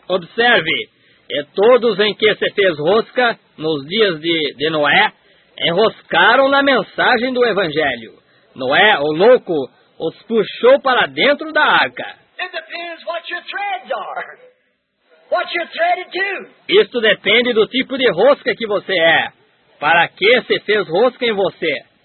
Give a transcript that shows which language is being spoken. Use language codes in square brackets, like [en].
[pt] Observe, e todos em que se fez rosca nos dias de Noé, enroscaram na mensagem do evangelho. Noé, o louco, os puxou para dentro da arca. [en] It depends what your threads are. What you're threaded to. [pt] Isto depende do tipo de rosca que você é. Para que se fez rosca em você?